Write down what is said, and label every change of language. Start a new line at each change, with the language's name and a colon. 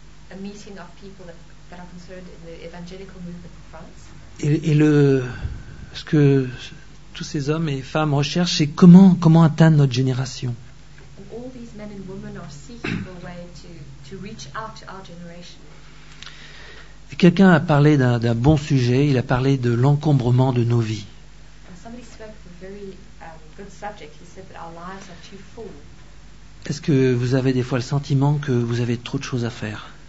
English: A meeting of people that are concerned in the evangelical movement in France.
French: Et ce que tous ces hommes et femmes recherchent, c'est comment atteindre notre génération.
English: And all these men and women are seeking a way to reach out to our generation.
French: Et quelqu'un a parlé d'un bon sujet, il a parlé de l'encombrement de nos vies.
English: And somebody spoke of a very good subject. He said that our lives are too full.
French: Est-ce que vous avez des fois le sentiment que vous avez trop de choses à faire?